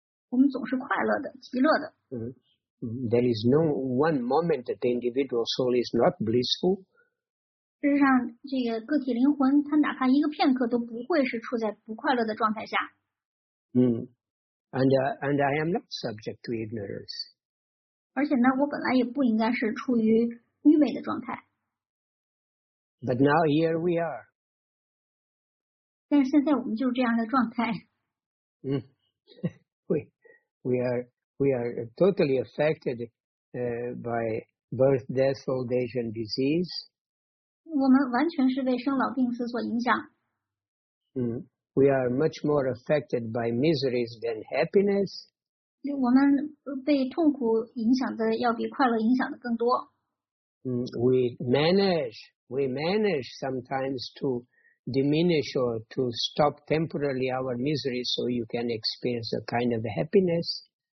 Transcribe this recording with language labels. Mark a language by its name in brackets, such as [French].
[Chinese] 我们总是快乐的，极乐的。 [English] There is no one moment that the individual soul is not blissful. [Chinese] 事实上，这个个体灵魂，它哪怕一个片刻都不会是处在不快乐的状态下。 [English] And I am not subject to ignorance. [Chinese] 而且呢，我本来也不应该是处于愚昧的状态。 [English] But now here we are. [Chinese] 但是现在我们就是这样的状态。 [English] We are totally affected by birth, death, old age, and disease. [Chinese] 我们完全是被生老病死所影响。 [English] We are much more affected by miseries than happiness. [Chinese] 我们被痛苦影响的要比快乐影响的更多。 [English] We manage sometimes to diminish or to stop temporarily our misery so you can experience a kind of happiness.